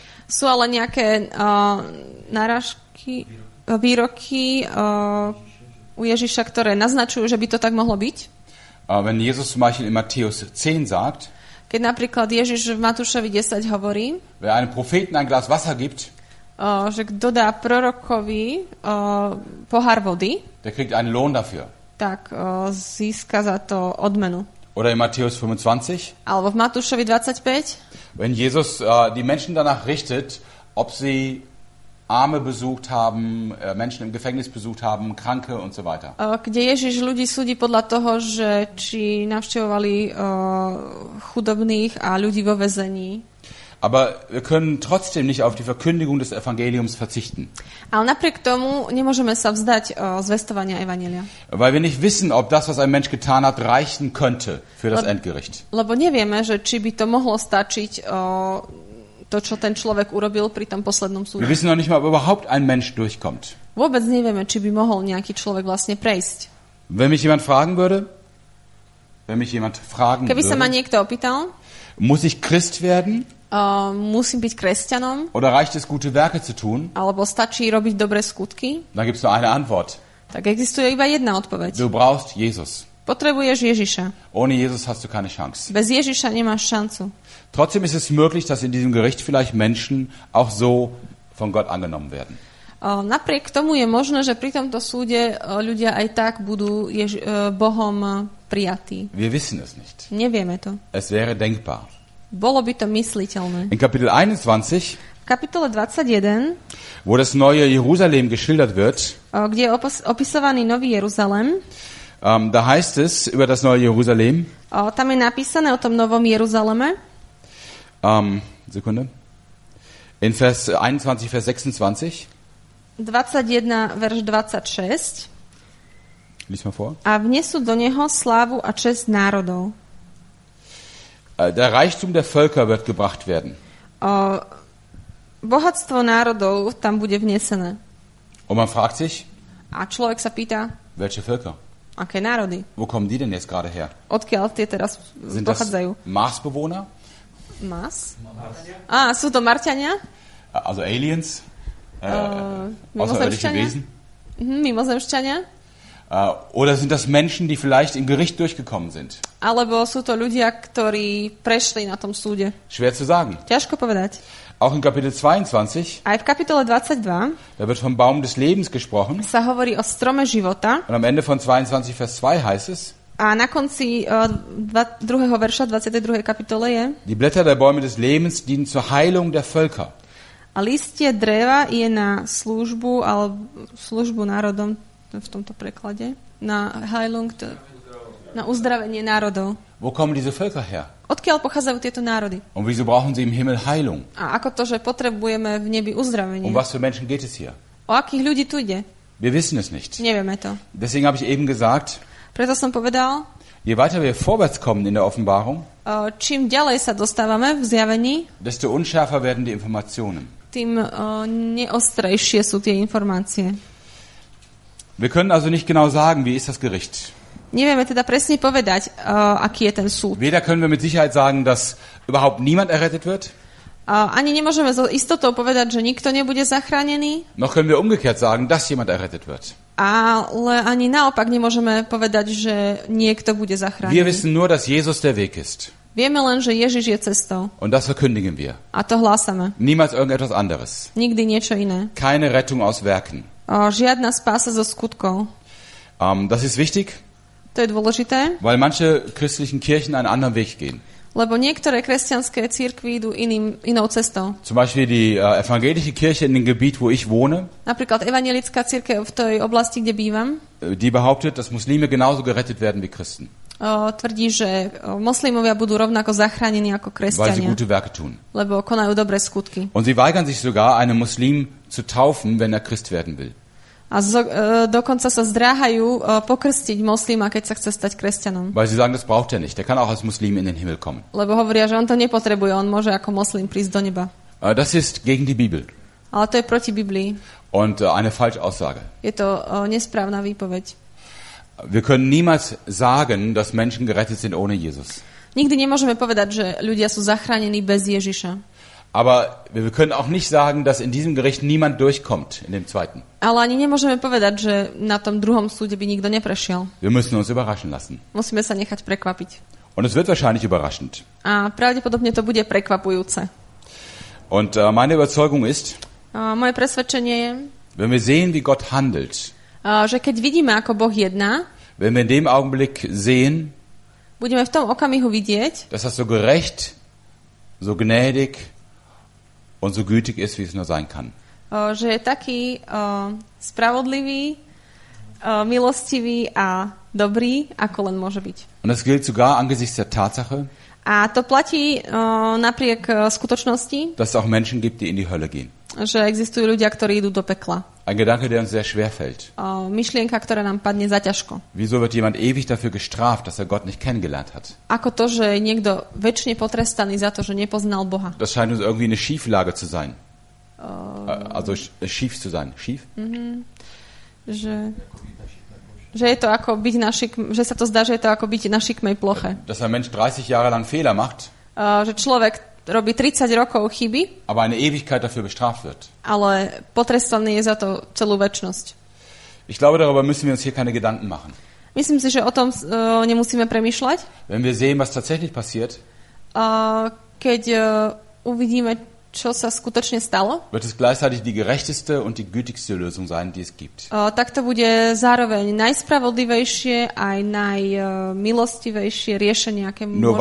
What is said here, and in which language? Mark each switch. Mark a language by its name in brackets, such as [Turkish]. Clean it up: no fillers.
[Slovak] Sú ale nejaké narážky, výroky u Ježiša, ktoré naznačujú, že by to tak mohlo byť. [German] Wenn Jesus zum Beispiel in Matthäus 10 sagt, [Slovak] Keď napríklad Ježiš v Matúšovi 10 hovorí, [German] wer einem Propheten ein Glas Wasser gibt, [Slovak] že kto dá prorokovi pohár vody, [German] der kriegt einen Lohn dafür. [Slovak] Tak získa za to odmenu. [German] Oder in Matthäus 25, [Slovak] alebo v Matúšovi 25, [German] wenn Jesus die Menschen danach richtet, ob sie Arme besucht haben, Menschen im Gefängnis besucht haben, Kranke und so weiter. [Slovak] Kde Ježiš ľudí súdi podľa toho, že či navštevovali chudobných a ľudí vo väzení. [German] Aber wir können trotzdem nicht auf die Verkündigung des Evangeliums verzichten. [Slovak] Ale napriek tomu nemôžeme sa vzdať zvestovania Evanjelia. [German] Weil wir nicht wissen, ob das, was ein Mensch getan hat, reichen könnte für das Endgericht. [Slovak] Lebo nevieme, že či by to mohlo stačiť to, čo ten človek urobil pri tom poslednom súde. [German] Wir wissen noch nicht mal, ob überhaupt ein Mensch durchkommt. [Slovak] Vôbec nevieme, či by mohol nejaký človek vlastne prejsť. [German] Wenn mich jemand fragen würde, [Slovak] sa ma niekto opýtal, [German] muss ich Christ werden? [Slovak] Musím byť kresťanom? [German] Oder reicht es, gute Werke zu tun? [Slovak] Alebo stačí robiť dobré skutky? [German] Dann gibt's nur eine Antwort. [Slovak] Tak existuje iba jedna odpoveď. [German] Du brauchst Jesus. [Slovak] Potrebuješ Ježiša. [German] Ohne Jesus hast du keine Chance. [Slovak] Bez Ježiša nemáš šancu. [German] Trotzdem ist es möglich, dass in diesem Gericht vielleicht Menschen auch so von Gott angenommen werden. [Slovak] Napriek tomu je možné, že pri tomto súde ľudia aj tak budú Bohom prijatí. [German] Wir wissen es nicht. [Slovak] Nevieme to. [German] Es wäre denkbar. [Slovak] Bolo by to mysliteľné. [German] In Kapitel 21, [Slovak] v kapitole 21, [German] wo das neue Jerusalem geschildert wird, [Slovak] kde je opisovaný nový Jeruzalem, [German] da heißt es über das neue Jerusalem, [Slovak] tam je napísané o tom novom Jeruzaleme, [German] Sekunde. In Vers 21, Vers 26. [Slovak] 21, verš 26. [German] Lies mal vor. [Slovak] A vnesú do neho slávu a čest národov. [German] Der Reichtum der Völker wird gebracht werden. [Slovak] Bohatstvo národov tam bude vnesené. [German] Und man fragt sich. [Slovak] A človek sa pýta. [German] Welche Völker? [Slovak] Aké národy? [German] Wo kommen die denn jetzt gerade her? [Slovak] Odkiaľ tie teraz [German] sind [Slovak] pochádzajú? [German] Marsbewohner? [Slovak] Mars? Marsiania. Sú to Marťania? [German] Also aliens? Außerirdische Wesen? [Slovak] Mimozemšťania? [German] Oder sind das Menschen, die vielleicht im Gericht durchgekommen sind? [Slovak] Alebo sú to ľudia, ktorí prešli na tom súde? [German] Schwer zu sagen. [Slovak] Ťažko povedať. [German] Auch in Kapitel 22. [Slovak] Aj v kapitole 22. [German] Da wird vom Baum des Lebens gesprochen. [Slovak] Sa hovorí o strome života. [German] Und am Ende von 22 Vers 2 heißt es. [Slovak] A na konci druhého verša 22. kapitole je. [German] Die Blätter der Bäume des Lebens dienen zur Heilung der Völker. [Slovak] A listie dreva je na službu al službu národom. V tomto preklade na Heilung, na uzdravenie národov. [German] Wo kommen diese Völker her? [Slovak] Odkiaľ pochádzajú tieto národy? [German] Und wieso brauchen sie im Himmel Heilung? [Slovak] A ako to, že potrebujeme v nebi uzdravenie? [German] Um was für Menschen geht es hier? [Slovak] O akých ľudí tu ide? [German] Wir wissen es nicht. [Slovak] Nevieme to. [German] Deswegen habe ich eben gesagt. [Slovak] Preto som povedal. [German] Je weiter wir vorwärts kommen in der Offenbarung. [Slovak] Čím ďalej sa dostávame v zjavení? [German] Desto unschärfer werden die Informationen. [Slovak] Tým neostrejšie sú tie informácie. [German] Wir können also nicht genau sagen, wie ist das Gericht. [Slovak] Nevieme teda presne povedať, aký je ten súd. [German] Weder können wir mit Sicherheit sagen, dass überhaupt niemand errettet wird. [Slovak] Ani nemôžeme so istotou povedať, že nikto nebude zachránený. [German] Noch können wir umgekehrt sagen, dass jemand errettet wird. [Slovak] Ale ani naopak nemôžeme povedať, že niekto bude zachránený. [German] Wir wissen nur, dass Jesus der Weg ist. [Slovak] Vieme len, že Ježiš je cestou. [German] Und das verkündigen wir. [Slovak] A to hlásame. [German] Niemals irgendetwas anderes. [Slovak] Nikdy niečo iné. [German] Keine Rettung aus Werken. [Slovak] Žiadna spása zo skutkov. [German] Das ist wichtig. [Slovak] To je dôležité. [German] Weil manche christlichen Kirchen einen anderen Weg gehen. [Slovak] Lebo niektoré kresťanské cirkvi idú inou cestou. [German] Zum Beispiel die evangelische Kirche in dem Gebiet, wo ich wohne. [Slovak] Napríklad evangelická cirkev v tej oblasti, kde bývam. [German] Die behauptet, dass Muslime genauso gerettet werden wie Christen. [Slovak] Tvrdí, že moslimovia budú rovnako zachránení ako kresťania. [German] Weil sie gute Werke tun. [Slovak] Lebo konajú dobré skutky. [German] Und sie weigern sich sogar, einen Muslim zu taufen, wenn er Christ werden will. [Slovak] A dokonca sa zdráhajú pokrstiť moslima, keď sa chce stať kresťanom. [German] Weil sie sagen, das braucht er nicht. Der kann auch als Muslim in den Himmel kommen. [Slovak] Lebo hovoria, že on to nepotrebuje, on môže ako moslim prísť do neba. [German] Das ist gegen die Bibel. [Slovak] Ale to je proti Biblii. [German] Und eine Falschaussage. [Slovak] Je to nesprávna výpoveď. [German] Wir können niemals sagen, dass Menschen gerettet sind ohne Jesus. [Slovak] Nikdy nemôžeme povedať, že ľudia sú zachránení bez Ježiša. [German] Aber wir können auch nicht sagen, dass in diesem Gericht niemand durchkommt in dem zweiten. [Slovak] Ale ani nemôžeme povedať, že na tom druhom súde by nikto neprešiel. [German] Wir müssen uns überraschen lassen. [Slovak] Musíme sa nechať prekvapiť. [German] Und es wird wahrscheinlich überraschend. [Slovak] A pravdepodobne to bude prekvapujúce. [German] Und meine Überzeugung ist, [Slovak] moje presvedčenie je, [German] wenn wir sehen, wie Gott handelt, [Slovak] že keď vidíme, ako Boh jedná, [German] wenn wir in dem Augenblick sehen, [Slovak] budeme v tom okamihu vidieť, [German] dass das so gerecht, so gnädig und so gütig ist, wie es nur sein kann. [Slovak] Že je taký spravodlivý, milostivý a dobrý, ako len môže byť. [German] Und das gilt sogar angesichts der Tatsache, [Slovak] a to platí napriek skutočnosti, [German] dass es auch Menschen gibt, die in die Hölle gehen. [Slovak] Že existujú ľudia, ktorí idú do pekla. [German] Ein Gedanke, der uns sehr schwer fällt. [Slovak] Myšlienka, ktorá nám padne zaťažko. [German] Wieso wird jemand ewig dafür gestraft, dass er Gott nicht kennengelernt hat? [Slovak] Ako to, že niekto večne potrestaný za to, že nepoznal Boha? [German] Das scheint uns irgendwie eine Schieflage zu sein. Also schief zu sein. Schief? [Slovak] Že je to ako byť na šikme, že sa to zdá, že je to ako byť na šikmej ploche. [German] Dass ein Mensch 30 Jahre lang Fehler macht. [Slovak] Že človek robí 30 rokov chyby. [German] Aber eine Ewigkeit dafür bestraft wird. [Slovak] Ale potrestaný je za to celú večnosť. [German] Ich glaube, darüber müssen wir uns hier keine Gedanken machen. [Slovak] Myslím si, že o tom nemusíme premýšľať. [German] Wenn wir sehen, was tatsächlich passiert. [Slovak] Keď uvidíme, čo sa skutočne stalo? [German] Wird es gleichzeitig die gerechteste und die gütigste Lösung sein, die es gibt. [Slovak] Tak to bude zároveň najspravodlivejšie aj najmilostivejšie riešenie, aké môže